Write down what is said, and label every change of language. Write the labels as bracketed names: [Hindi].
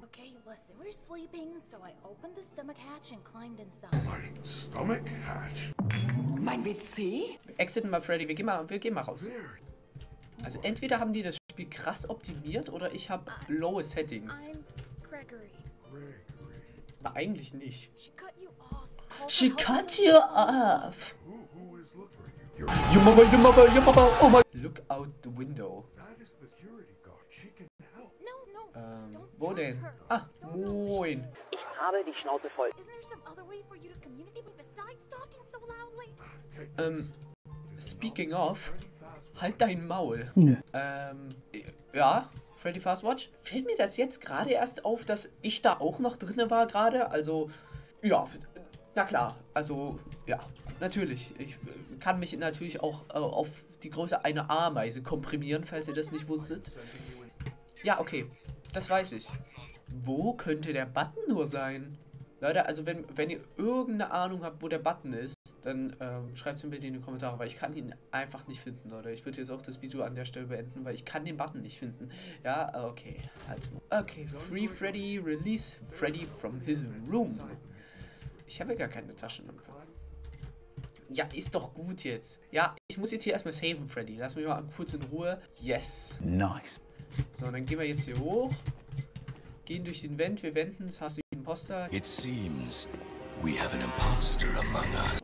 [English] Okay, listen, we're sleeping, so I opened the stomach hatch and climbed inside. My stomach hatch? [German] Mein WC? Exiten mal, Freddy, wir gehen mal raus. There. Also entweder haben die das Spiel krass optimiert oder ich habe lowe Settings. [English] I'm Gregory. [German] Aber eigentlich nicht. [English] She cut you off. She cut you off. Who is looking for you? Your mama, oh my. Look out the window. That is the security. She can help. No. [German] Wo denn? Ah, moin. Ich habe die Schnauze voll. [English] Isn't there some other way for you to communicate besides talking so loudly? Speaking of, [German] halt dein Maul. Nee. Ja, Freddy Fastwatch. Fällt mir das jetzt gerade erst auf, dass ich da auch noch drin war gerade? Also, ja, na klar. Also, ja, natürlich. Ich kann mich natürlich auch auf die Größe einer Ameise komprimieren, falls ihr das nicht wusstet. Ja, okay. Das weiß ich. Wo könnte der Button nur sein? Leute, also wenn ihr irgendeine Ahnung habt, wo der Button ist, dann schreibt es mir bitte in die Kommentare, weil ich kann ihn einfach nicht finden, Leute. Ich würde jetzt auch das Video an der Stelle beenden, weil ich kann den Button nicht finden. Ja, okay. [English] Also, okay, Free Freddy, release Freddy from his room. [German] Ich habe gar keine Taschen. Ja, ist doch gut jetzt. Ja, ich muss jetzt hier erstmal saven, Freddy. Lass mich mal kurz in Ruhe. [English] Yes. Nice. [German] So, dann gehen wir jetzt hier hoch. Gehen durch den Vent. Wir wenden es. Hast du den Imposter? [English] It seems we have an imposter among us.